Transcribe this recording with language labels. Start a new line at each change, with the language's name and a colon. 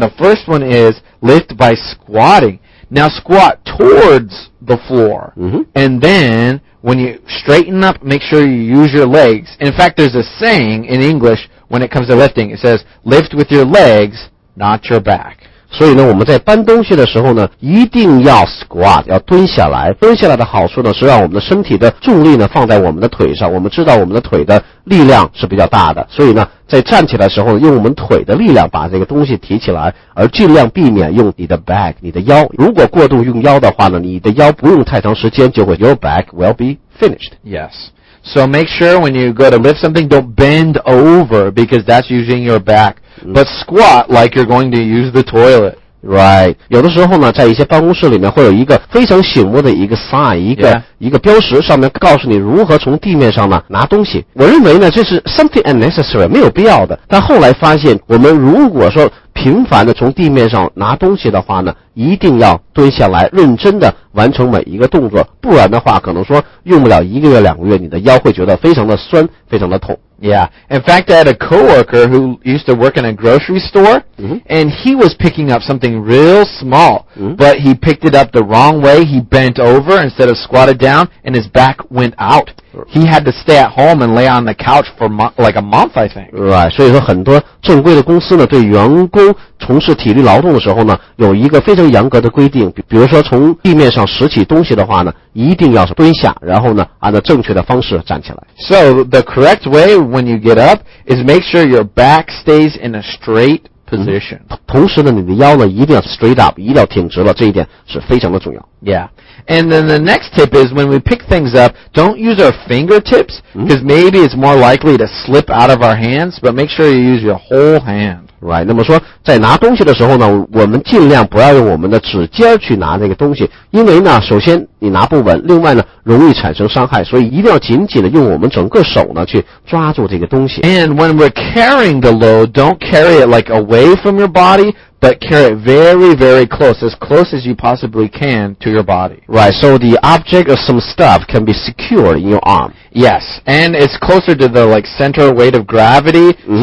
English: The first one is lift by squatting. Now squat towards the floor, and then... When you straighten up, make sure you use your legs. In fact, there's a saying in English when it comes to lifting. It says, lift with your legs, not your back.
Chinese: 所以呢我们在搬东西的时候呢一定要 squat, 要蹲下来。蹲下来的好处呢是让我们的身体的重力呢放在我们的腿上，我们知道我们的腿的力量是比较大的，所以呢在站起来的时候呢用我们腿的力量把这个东西提起来，而尽量避免用你的 back, 你的腰。如果过度用腰的话呢，你的腰不用太长时间就会
English: your back will be finished. Yes. So make sure when you go to lift something, don't bend over because that's using your back. But squat like you're going to use the toilet. Right.
Chinese: 有的时候呢，在一些办公室里面会有一个非常醒目的一个 sign, 一个标识，上面告诉你如何从地面上呢拿东西。我认为呢，这是
English: something unnecessary,
Chinese: 没有必要的。但后来发现，我们如果说频繁的从地面上拿东西的话呢，一定要蹲下来认真的完成每一个动作，不然的话可能说用不了一个月两个月，你的腰会觉得非常的酸非常的痛。
English: Yeah, in fact I had a coworker who used to work in a grocery store、 mm-hmm. and he was picking up something real small、 mm-hmm. but he picked it up the wrong way, he bent over instead of squatted down and his back went outHe had to stay at home and lay on the couch for like a month, I think.
Chinese: Right, 所以说很多正规的公司呢，对员工从事体力劳动的时候呢，有一个非常严格的规定。比如说从地面上拾起东西的话呢，一定要蹲下，然后呢，按照正确的方式站起来。
English: So the correct way when you get up is make sure your back stays in a straight position.、
Chinese: 嗯、同时呢，你的腰呢一定要
English: straight up,
Chinese: 一定要挺直了，这一点是非常的重要。
English: Yeah. And then the next tip is when we pick things up, don't use our fingertips, because maybe it's more likely to slip out of our hands, but make sure you use your whole hand.
Chinese: Right, 那么说在拿东西的时候呢，我们尽量不要用我们的指尖去拿那个东西，因为呢首先你拿不稳，另外呢容易产生伤害，所以一定要紧紧的用我们整个手呢去抓住这个东西。
English: And when we're carrying the load, don't carry it like away from your body,But carry it very, very close as you possibly can to your body. Right, so the object or some stuff can be secured in your arm. Yes, and it's closer to the like, center weight of gravity,、mm-hmm.